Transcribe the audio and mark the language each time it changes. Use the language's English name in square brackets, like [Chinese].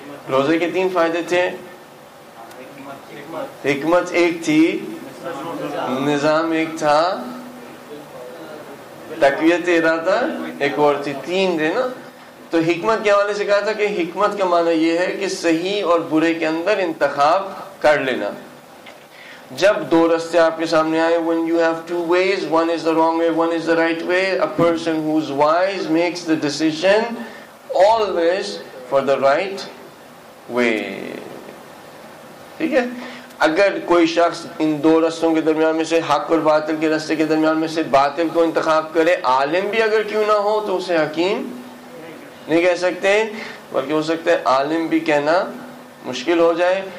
[Urdu] روزے کے تین فائدے تھے, حکمت ایک تھی, نظام ایک تھا, تقویت ارادہ ایک اور تھی, تین تھے نا. تو حکمت کے حوالے سے کہا تھا کہ حکمت کا معنی یہ ہے کہ صحیح اور برے کے اندر انتخاب کر لینا. جب دو رستے آپ کے سامنے آئے, [English] when you have two ways, one is the wrong way, one is the right way, a person who's wise makes the decision always for the right way. [Urdu] ٹھیک ہے, اگر کوئی شخص ان دو رستوں کے درمیان میں سے, حق اور باطل کے رستے کے درمیان میں سے باطل کو انتخاب کرے, عالم بھی اگر کیوں نہ ہو تو اسے حکیم نہیں کہہ سکتے, بلکہ ہو سکتا ہے عالم بھی کہنا مشکل ہو جائے.